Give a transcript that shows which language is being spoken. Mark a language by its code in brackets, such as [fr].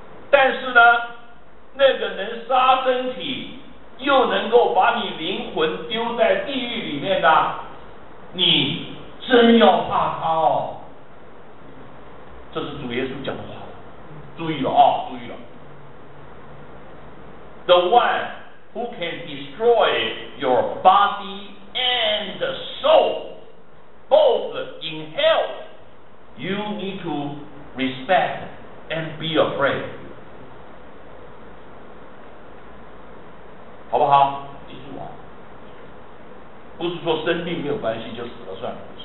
[zh] 但是呢，那个能杀身体，又能够把你灵魂丢在地狱里面的，你真要怕他哦。这是主耶稣讲的话，注意了啊，注意了。 [en] The one who can destroy your body and the soul, both in hell, you need to respect and be afraid. [zh] 好不好？记住啊，不是说生病没有关系就死了算了。